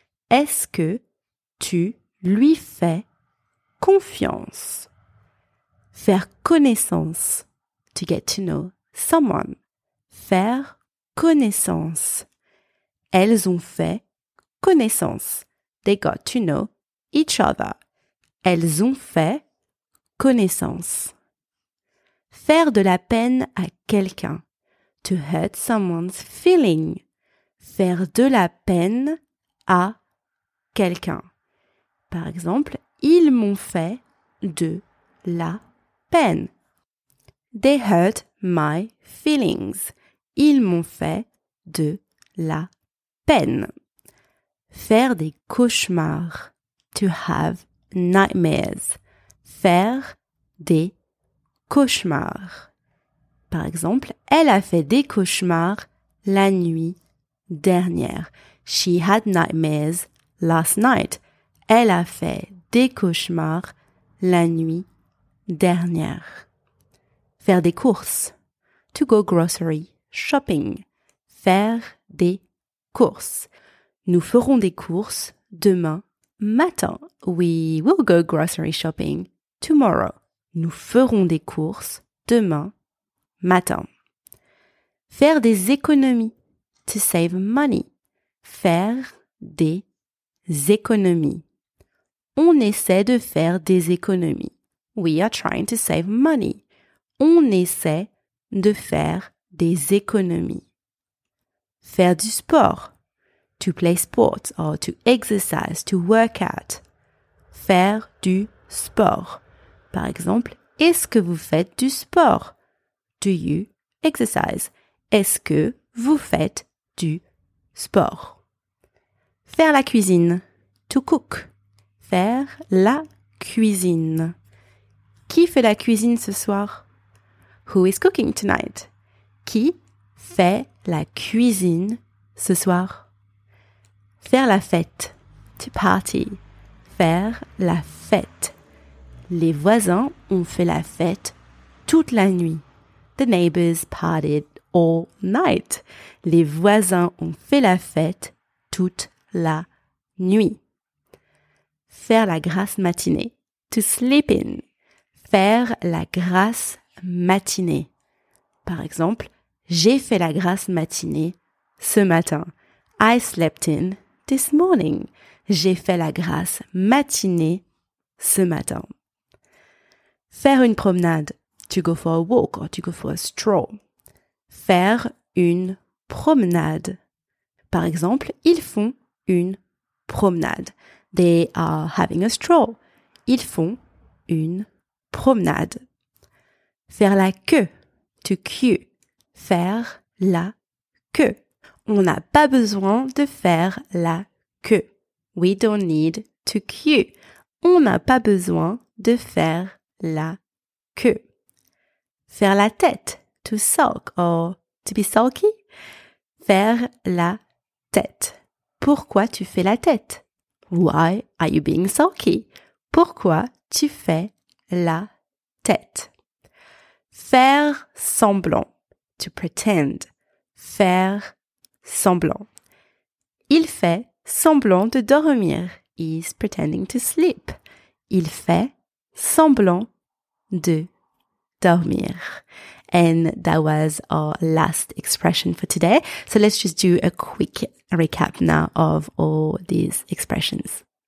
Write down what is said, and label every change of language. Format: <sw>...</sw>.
<fr>Est-ce que tu lui fais confiance? Faire connaissance.</fr> <en>To get to know someone.</en> <fr>Faire connaissance. Elles ont fait connaissance.</fr> <en>They got to know each other.</en> <fr>Elles ont fait connaissance. Faire de la peine à quelqu'un.</fr> <en>To hurt someone's feeling.</en> <fr>Faire de la peine à quelqu'un. Par exemple, ils m'ont fait de la peine.</fr> <en>They hurt my feelings.</en> <fr>Ils m'ont fait de la peine. Faire des cauchemars.</fr> <en>To have nightmares.</en> <fr>Faire des cauchemars. Par exemple, elle a fait des cauchemars la nuit dernière.</fr> <en>She had nightmares last night.</en> <fr>Elle a fait des cauchemars la nuit dernière. Faire des courses.</fr> <en>To go grocery shopping.</en> <fr>Faire des courses. Nous ferons des courses demain matin.</fr> <en>We will go grocery shopping tomorrow.</en> <fr>Nous ferons des courses demain matin. Faire des économies.</fr> <en>To save money.</en> <fr>Faire des économies. On essaie de faire des économies.</fr> <en>We are trying to save money.</en> <fr>On essaie de faire des économies. Faire du sport.</fr> <en>To play sports or to exercise, to work out.</en> <fr>Faire du sport. Par exemple, est-ce que vous faites du sport?</fr> <en>Do you exercise?</en> <fr>Est-ce que vous faites du sport? Faire la cuisine.</fr> <en>To cook.</en> <fr>Faire la cuisine. Qui fait la cuisine ce soir?</fr> <en>Who is cooking tonight?</en> <fr>Qui fais la cuisine ce soir. Faire la fête.</fr> <en>To party.</en> <fr>Faire la fête. Les voisins ont fait la fête toute la nuit.</fr> <en>The neighbors partied all night.</en> <fr>Les voisins ont fait la fête toute la nuit. Faire la grasse matinée.</fr> <en>To sleep in.</en> <fr>Faire la grasse matinée. Par exemple, j'ai fait la grasse matinée ce matin.</fr> <en>I slept in this morning.</en> <fr>J'ai fait la grasse matinée ce matin. Faire une promenade.</fr> <en>To go for a walk or to go for a stroll.</en> <fr>Faire une promenade. Par exemple, ils font une promenade.</fr> <en>They are having a stroll.</en> <fr>Ils font une promenade. Faire la queue.</fr> <en>To queue.</en> <fr>Faire la queue. On n'a pas besoin de faire la queue.</fr> <en>We don't need to queue.</en> <fr>On n'a pas besoin de faire la queue. Faire la tête.</fr> <en>To sulk or to be sulky.</en> <fr>Faire la tête. Pourquoi tu fais la tête?</fr> <en>Why are you being sulky?</en> <fr>Pourquoi tu fais la tête? Faire semblant.</fr> <en>To pretend.</en> <fr>Faire semblant. Il fait semblant de dormir.</fr> <en>He's pretending to sleep.</en> <fr>Il fait semblant de dormir.</fr> <en>And that was our last expression for today. So let's just do a quick recap now of all these expressions.</en>